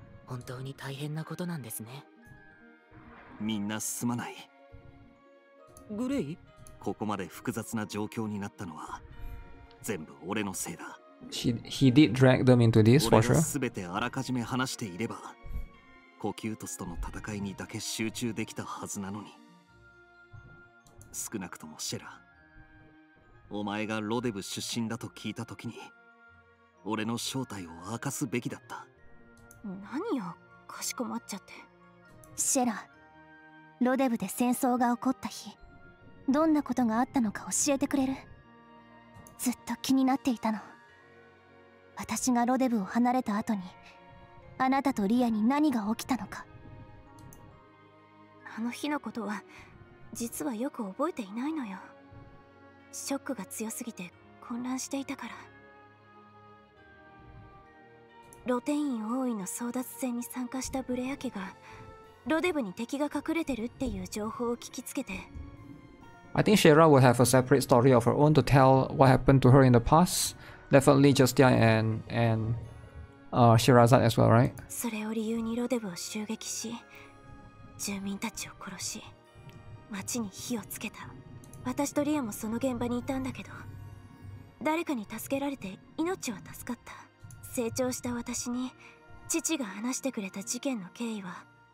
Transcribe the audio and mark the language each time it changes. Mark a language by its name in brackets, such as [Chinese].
[Japanese] 本当に大変なことなんですね。みんなすまない。グレイ、ここまで複雑な状況になったのは全部俺のせいだ。 [English] He did drag them into this, for sure. [Japanese] 俺がすべてあらかじめ話していれば、コキュートスとの戦いにだけ集中できたはずなのに。少なくともシェラ、お前がロデブ出身だと聞いたときに、俺の正体を明かすべきだった。何よ、かしこまっちゃって。シェラ、ロデブで戦争が起こった日、どんなことがあったのか教えてくれる？ずっと気になっていたの。私がロデブを離れた後に、あなたとリアに何が起きたのか。あの日のことは実はよく覚えていないのよ。ショックが強すぎて混乱していたから。露天院王位の争奪戦に参加したブレア家がロデブに敵が隠れてるっていう情報を聞きつけて。 [English] I think Shira would have a separate story of her own to tell what happened to her in the past. Definitely Justia and Shirazan as well, right? [Japanese] それを理由にロデブを襲撃し、住民たちを殺し、町に火をつけた。私とリアもその現場にいたんだけど、誰かに助けられて命は助かった。成長した私に父が話してくれた事件の経緯は、